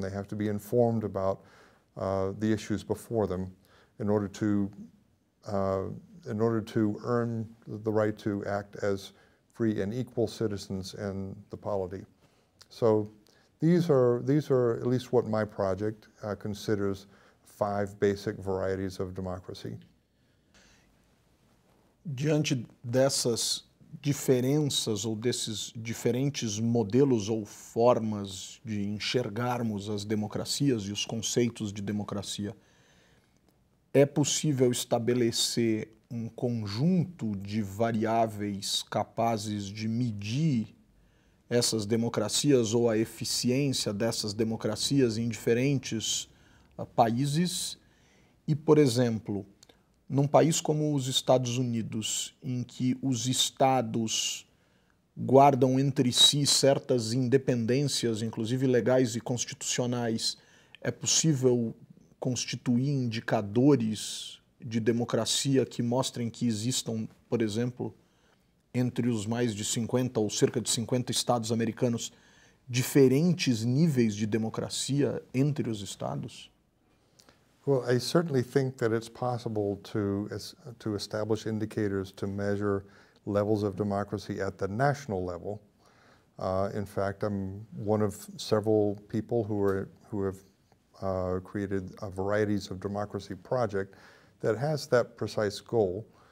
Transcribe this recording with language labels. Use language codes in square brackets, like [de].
[en] They have to be informed about the issues before them in order to earn the right to act as free and equal citizens in the polity. So these are at least what my project considers five basic varieties of democracy. [pt] Diante dessas diferenças ou desses diferentes modelos ou formas de enxergarmos as democracias e os conceitos de democracia, é possível estabelecer um conjunto de variáveis capazes de medir essas democracias ou a eficiência dessas democracias em diferentes países? E, por exemplo, num país como os Estados Unidos, em que os estados guardam entre si certas independências, inclusive legais e constitucionais, é possível constituir indicadores de democracia que mostrem que existam, por exemplo, entre os mais de 50 ou cerca de 50 estados americanos, diferentes níveis de democracia entre os estados? [en] Well, I certainly think that it's possible to establish indicators to measure levels of democracy at the national level. In fact, I'm one of several people who have created a varieties of democracy project that has that precise goal.